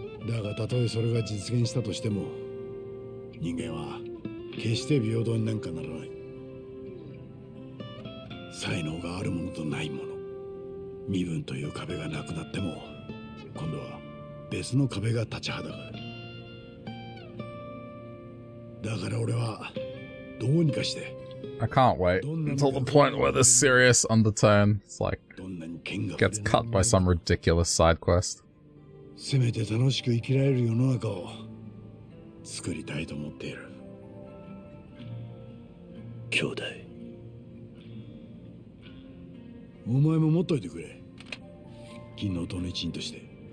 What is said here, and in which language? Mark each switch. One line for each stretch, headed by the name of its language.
Japanese: だがたとえそれが実現したとしても、人間は決して平等になんかならない。才能があるものとないもの、身分という壁がなくなっても今度は別の壁が立ちはだかる。だから俺はどうにかして、
English: I can't wait until the point where this serious undertone is like gets cut by some ridiculous side quest。
Japanese: せめて楽しく生きられる世の中を作りたいと思っている。兄弟、お前も持っといてくれ。金の塔の一員として。